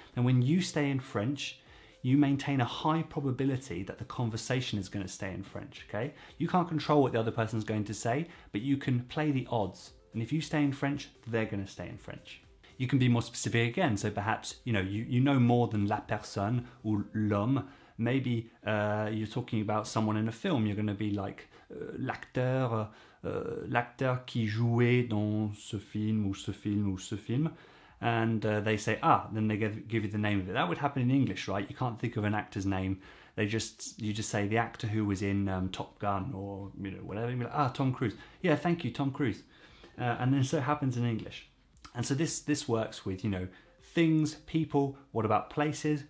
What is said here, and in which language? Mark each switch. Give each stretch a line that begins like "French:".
English: And when you stay in French, you maintain a high probability that the conversation is going to stay in French, okay? You can't control what the other person's going to say, but you can play the odds. And if you stay in French, they're going to stay in French. You can be more specific again. So perhaps, you know, you know more than la personne or l'homme. Maybe you're talking about someone in a film. You're going to be like
French: l'acteur qui jouait dans ce film ou ce film ou ce film.
English: And they say, then they give you the name of it. That would happen in English, right? You can't think of an actor's name. You just say the actor who was in Top Gun or, you know, whatever. You're like, Tom Cruise. Yeah, thank you, Tom Cruise. And then so it happens in English. And so this works with, you know, things, people. What about places?